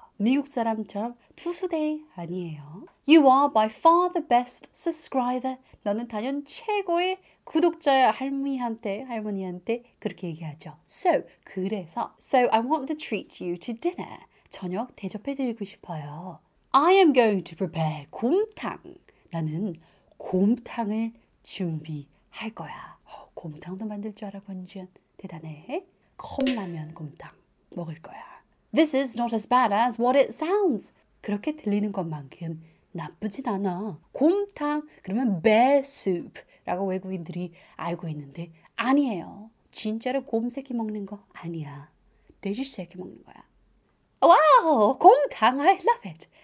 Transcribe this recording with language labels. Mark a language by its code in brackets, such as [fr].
[ko] 미국 사람처럼 투수대 아니에요. [en] You are by far the best subscriber. [ko] 너는 단연 최고의 구독자야. 할머니한테 그렇게 얘기하죠. [en] So, [ko] 그래서 [en] So, I want to treat you to dinner. [ko] 저녁 대접해드리고 싶어요. [en] I am going to prepare 곰탕. [ko] 나는 곰탕을 준비할 거야. 곰탕도 만들 줄 알아, 권지현. 대단해. 컵라면 곰탕 먹을 거야. [en] This is not as bad as what it sounds. [ko] 그렇게 들리는 것만큼 나쁘진 않아. 곰탕, 그러면 [en] bear soup [ko] 라고 외국인들이 알고 있는데 아니에요. 진짜로 곰새끼 먹는 거 아니야. 돼지새끼 먹는 거야. [en] 와우, [ko] 곰탕, [en] I love it.